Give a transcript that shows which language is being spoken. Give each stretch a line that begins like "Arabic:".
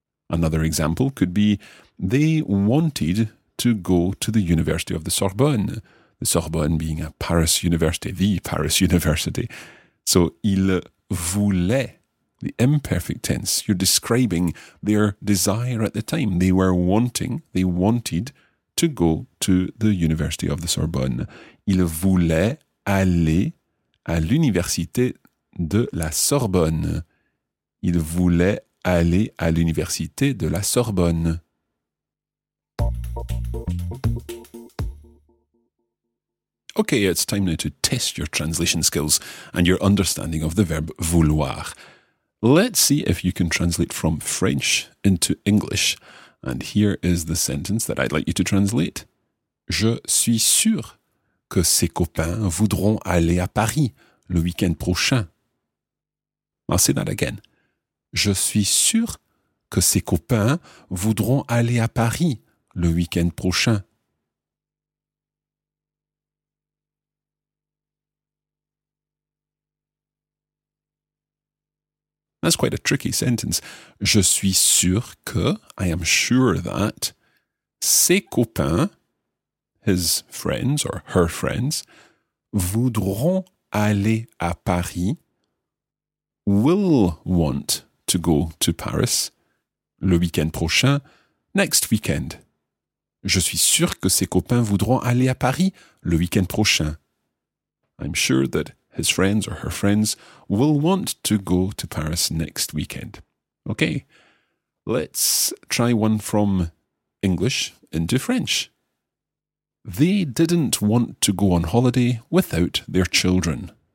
English: Another example could be, they wanted to go to the University of the Sorbonne being a Paris university, the Paris university. So,
French: ils voulaient,
English: the imperfect tense, you're describing their desire at the time. They were wanting, they wanted to go to the University of the Sorbonne.
French: Ils voulaient aller à l'Université de la Sorbonne. Ils voulaient aller à l'Université de la Sorbonne.
English: Okay, it's time now to test your translation skills and your understanding of the verb vouloir. Let's see if you can translate from French into English. And here is the sentence that I'd like you to translate.
French: Je suis sûr que ses copains voudront aller à Paris le week-end prochain.
English: I'll say that again.
French: Je suis sûr que ses copains voudront aller à Paris le week-end prochain.
English: That's quite a tricky sentence.
French: Je suis sûr que,
English: I am sure that,
French: ses copains,
English: his friends or her friends,
French: voudront aller à Paris,
English: will want to go to Paris
French: le week-end prochain,
English: next weekend.
French: Je suis sûr que ses copains voudront aller à Paris le week-end prochain.
English: I'm sure that his friends or her friends will want to go to Paris next weekend. Okay, let's try one from English into French. They didn't want to go on holiday without their children.